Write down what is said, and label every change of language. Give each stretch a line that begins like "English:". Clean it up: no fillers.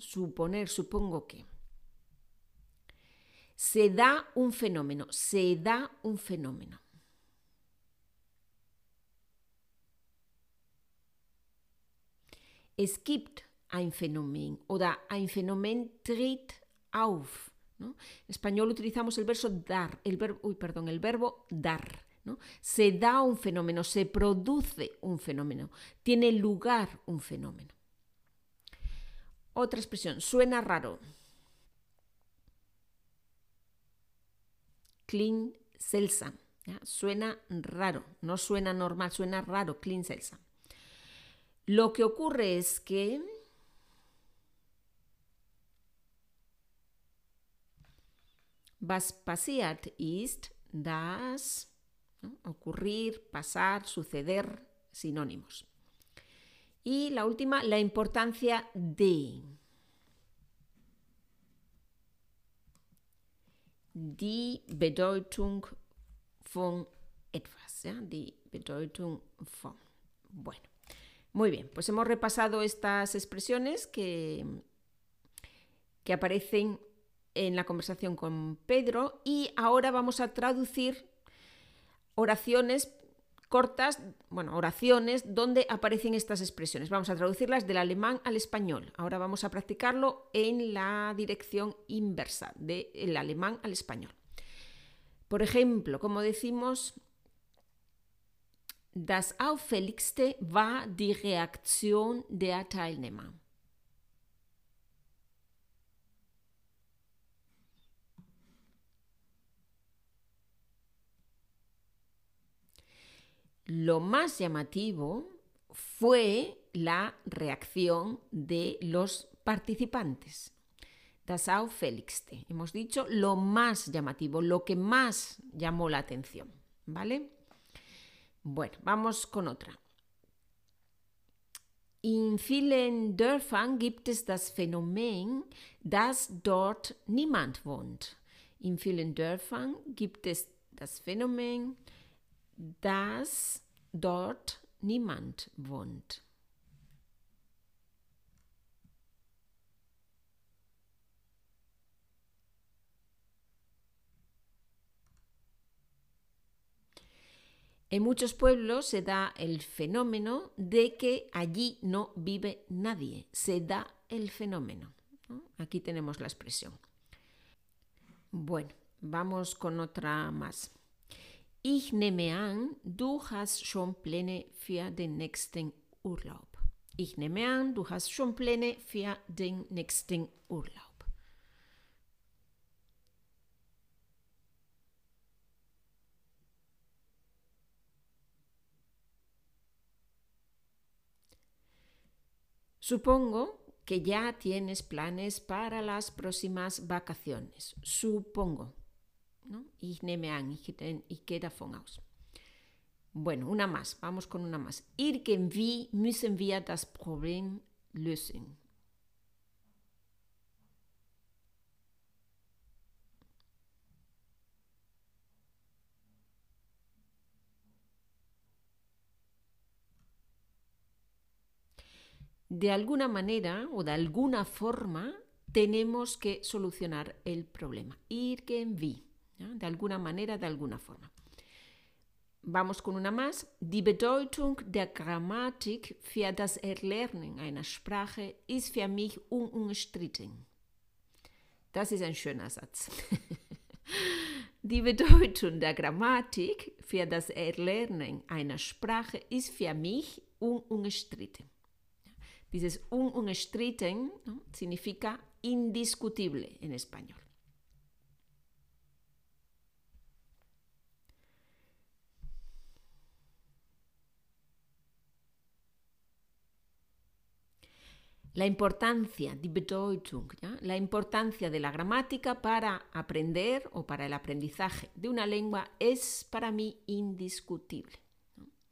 Spanish: Suponer, supongo que se da un fenómeno, se da un fenómeno.
German: Es gibt ein Phänomen oder ein Phänomen tritt auf, ¿no?
Spanish: En español utilizamos el verbo dar, el verbo, uy, perdón, el verbo dar, ¿no? Se da un fenómeno, se produce un fenómeno, tiene lugar un fenómeno. Otra expresión, suena raro.
German: Klingt seltsam,
Spanish: ¿ya? Suena raro, no suena normal, suena raro,
German: klingt seltsam.
Spanish: Lo que ocurre es que
German: was passiert ist, das,
Spanish: ¿no? Ocurrir, pasar, suceder, sinónimos. Y la última, la importancia de.
German: Die Bedeutung von etwas, ¿ya? Die Bedeutung von.
Spanish: Bueno. Muy bien, pues hemos repasado estas expresiones que aparecen en la conversación con Pedro y ahora vamos a traducir oraciones cortas, bueno, oraciones donde aparecen estas expresiones. Vamos a traducirlas del alemán al español. Ahora vamos a practicarlo en la dirección inversa, del alemán al español. Por ejemplo, como decimos.
German: Das auffälligste war die Reaktion der Teilnehmer.
Spanish: Lo más llamativo fue la reacción de los participantes.
German: Das auffälligste.
Spanish: Hemos dicho lo más llamativo, lo que más llamó la atención, ¿vale? Bueno, vamos con otra.
German: In vielen Dörfern gibt es das Phänomen, dass dort niemand wohnt. In vielen Dörfern gibt es das Phänomen, dass dort niemand wohnt.
Spanish: En muchos pueblos se da el fenómeno de que allí no vive nadie. Se da el fenómeno, ¿no? Aquí tenemos la expresión. Bueno, vamos con otra más.
German: Ich nehme an, du hast schon Pläne für den nächsten Urlaub. Ich nehme an, du hast schon Pläne für den nächsten Urlaub.
Spanish: Supongo que ya tienes planes para las próximas vacaciones. Supongo, ¿no?
German: Ich nehme an, ich gehe davon aus.
Spanish: Bueno, una más. Vamos con una más.
German: Irgendwie müssen wir das Problem lösen.
Spanish: De alguna manera o de alguna forma tenemos que solucionar el problema. Irgendwie, ¿no? De alguna manera, de alguna forma. Vamos con una más.
German: Die Bedeutung der Grammatik für das Erlernen einer Sprache ist für mich unumstritten. Das ist ein schöner Satz. Die Bedeutung der Grammatik für das Erlernen einer Sprache ist für mich unumstritten.
Spanish: Dices unstritten, ¿no? Significa indiscutible en español. La importancia,
German: die Bedeutung,
Spanish: ¿ya? La importancia de la gramática para aprender o para el aprendizaje de una lengua es para mí indiscutible, ¿no?